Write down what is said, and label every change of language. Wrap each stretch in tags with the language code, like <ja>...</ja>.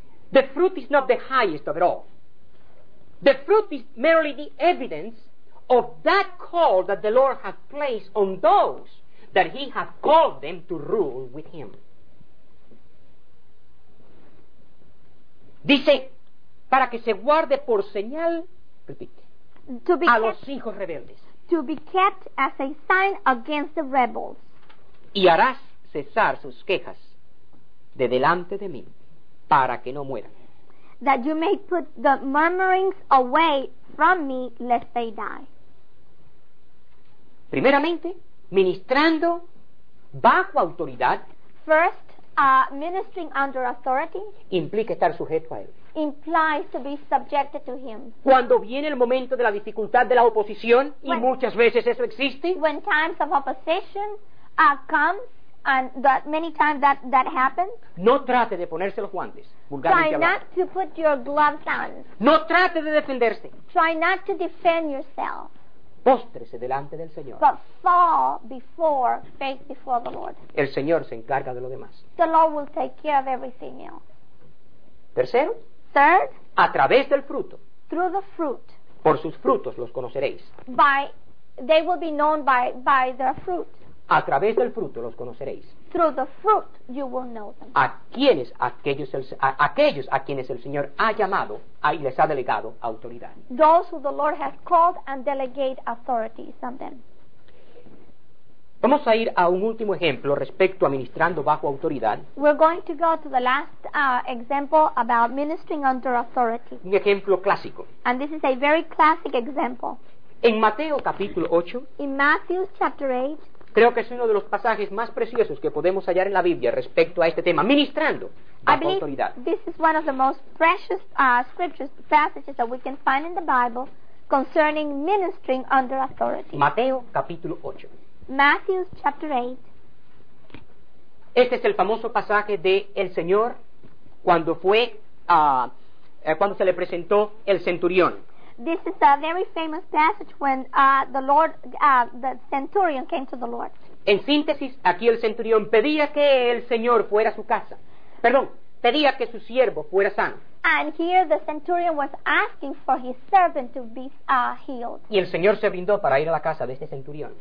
<en>The fruit is not the highest of it all. The fruit is merely the evidence of that call that the Lord has placed on those that he has called them to rule with him.</en> <es>Dice, para que se guarde por señal, repite,</es> <en>to be</en> <es>a los hijos rebeldes.</es> <en>To be kept as a sign against the rebels.</en> <es>Y harás cesar sus quejas de delante de mí, para que no mueran.</es> <en>That you may put the murmurings away from me, lest they die.</en> <es>Primeramente, ministrando bajo autoridad.</es> <en>First, ministering under authority.</en> <es>Implica estar sujeto a él.</es> <en>Implies to be subjected to him.</en> <es>Cuando viene el momento de la dificultad de la oposición, y muchas veces eso existe.</es> <en>When times of opposition come. And that many times that happens.</en> <es>No trate de ponerse los guantes.</es> <en>Try not to put your gloves on.</en> <es>No trate de defenderse.</es> <en>Try not to defend yourself.</en> <es>Póstrese delante del Señor.</es> <en>But fall before faith before the Lord.</en> <es>El Señor se encarga de lo demás.</es> <en>The Lord will take care of everything else.</en> <es>Tercero.</es> <en>Third.</en> <es>A través del fruto.</es> <en>Through the fruit.</en> <es>Por sus frutos los conoceréis.</es> <en>They will be known by their fruit.</en> <es>A través del fruto los conoceréis.</es> <en>Through the fruit you will know them.</en> <es>¿A quiénes? Aquellos a quienes el Señor ha llamado y les ha delegado autoridad.</es> <en>Those who the Lord has called and delegate authority on them.</en> <es>Vamos a ir a un último ejemplo respecto a ministrando bajo autoridad.</es> <en>We're going to go to the last example about ministering under authority.</en> <es>Un ejemplo clásico.</es> <en>And this is a very classic example.</en> <es>En Mateo capítulo 8.</es> <en>In Matthew chapter 8.</en> <es>Creo que es uno de los pasajes más preciosos que podemos hallar en la Biblia respecto a este tema, ministrando bajo autoridad.</es> <en>This is one of the most precious scriptures passages that we can find in the Bible concerning ministering under authority.</en> <es>Mateo capítulo 8.</es> <en>Matthew chapter 8.</en> <es>Este es el famoso pasaje de el Señor cuando fue cuando se le presentó el centurión.</es> <en>This is a very famous passage when the centurion came to the Lord.</en> <es>En síntesis, aquí el centurión pedía que el Señor fuera a su casa. Perdón, pedía que su siervo fuera sano.</es> <en>And here the centurion was asking for his servant to be healed.</en> <es>Y el Señor se brindó para ir a la casa de este centurión.</es>